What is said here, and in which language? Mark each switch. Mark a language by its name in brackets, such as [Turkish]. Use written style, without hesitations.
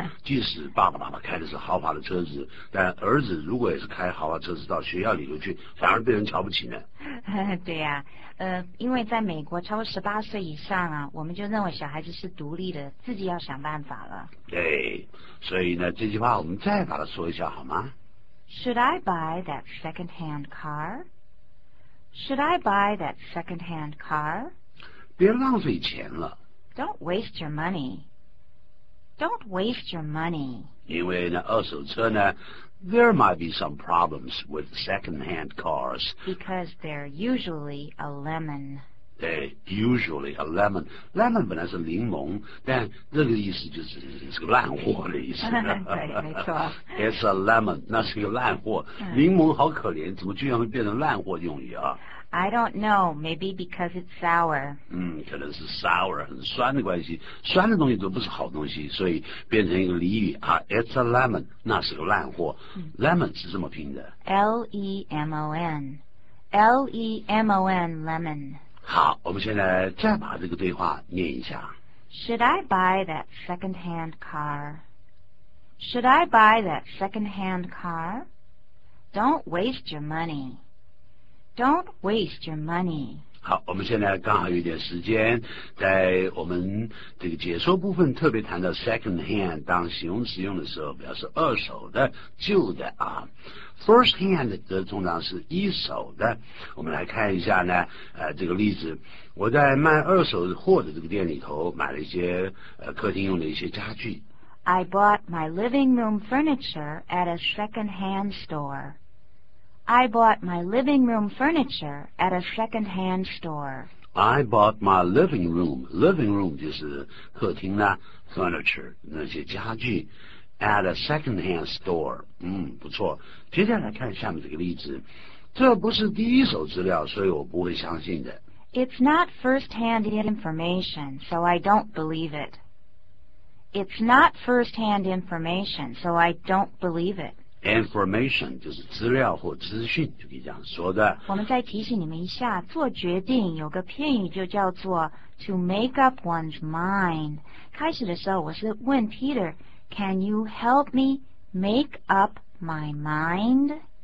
[Chinese] 即使爸爸妈妈开的是豪华的车子，但儿子如果也是开豪华车子到学校里头去，反而被人瞧不起呢。对呀、啊，因为在美国超过18岁以上啊，我们就认为小孩子是独立的，自己要想办法了。对，所以呢，这句话我们再把它说一下好吗 [English] ？Should I buy that second-hand car? Should I buy that second-hand car? [Chinese] 别浪费钱了。 [English] Don't waste your money. Don't waste your money. [Chinese] 因为呢，二手车呢。 [English] There might be some problems with second-hand cars. Because they're usually a lemon. 对 usually a lemon. [Chinese] Lemon 本来是柠檬，但这个意思就是是个烂货的意思。对，没错。 [English] It's a lemon. [Chinese] 那是个烂货。柠檬好可怜，怎么居然会变成烂货用语啊？ [English] I don't know, maybe because it's sour. [Chinese] 嗯，可能是 sour, 很酸的关系，酸的东西都不是好东西，所以变成一个俚语啊 , [English] it's a lemon, [Chinese] 那是个烂货。 Lemon 是这么拼的。 [English] L-E-M-O-N. L-E-M-O-N, lemon. [Chinese] 好，我们现在再把这个对话念一下。 [English] Should I buy that second-hand car? Should I buy that second-hand car? Don't waste your money. Don't waste your money. [Chinese] 好，我们现在刚好有点时间，在我们这个解说部分特别谈到 second hand 当形容词用的时候，表示二手的、旧的啊。 First hand 则通常是一手的。我们来看一下呢，这个例子，我在卖二手货的这个店里头买了一些客厅用的一些家具。 [English] I bought my living room furniture at a second hand store. I bought my living room furniture at a second-hand store. I bought my living room. Living room [Chinese] 就是客厅啦 [English] furniture [Chinese] 那些家具 [English] at a second-hand store. [Chinese] 嗯，不错。接下来看下面这个例子，这不是第一手资料，所以我不会相信的。 [English] It's not first-hand information, so I don't believe it. It's not first-hand information, so I don't believe it. [Chinese] Information 就是资料或资讯，就可以这样说的。我们再提醒你们一下，做决定有个片语就叫做 [English] to make up one's mind。 [Chinese] 开始的时候我是问 [English] Peter， Can you help me make up my mind？